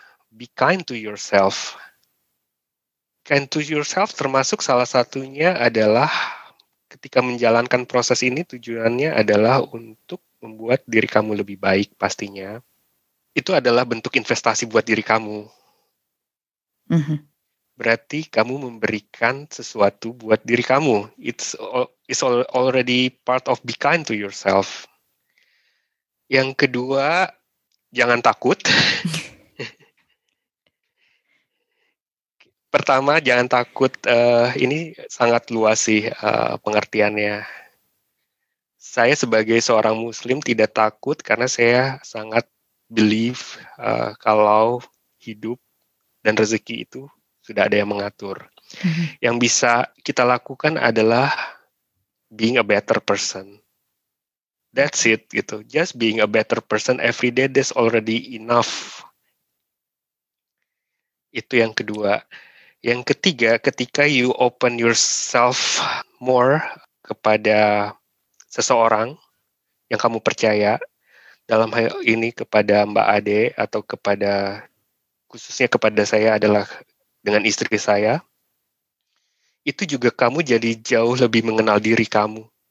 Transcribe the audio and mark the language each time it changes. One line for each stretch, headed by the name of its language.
English: be kind to yourself. Kind to yourself
Indonesian: termasuk salah satunya adalah ketika menjalankan proses ini tujuannya adalah untuk membuat diri kamu lebih baik pastinya. Itu adalah bentuk investasi buat diri kamu. Mm-hmm. Berarti kamu memberikan sesuatu buat diri kamu.
English: It's already part of be kind to yourself.
Indonesian: Yang kedua, jangan takut. Pertama, jangan takut. Ini sangat luas sih pengertiannya. Saya sebagai seorang Muslim tidak takut karena saya sangat believe kalau hidup dan rezeki itu sudah ada yang mengatur. Mm-hmm. Yang bisa kita lakukan adalah
English: being a better person. That's it, gitu. Just being a better person every day, that's already enough.
Indonesian: Itu yang kedua. Yang ketiga, ketika
English: you open yourself more
Indonesian: kepada seseorang yang kamu percaya, dalam hal ini kepada Mbak Ade atau kepada, khususnya kepada saya adalah dengan istri saya, itu juga kamu jadi jauh lebih mengenal diri kamu.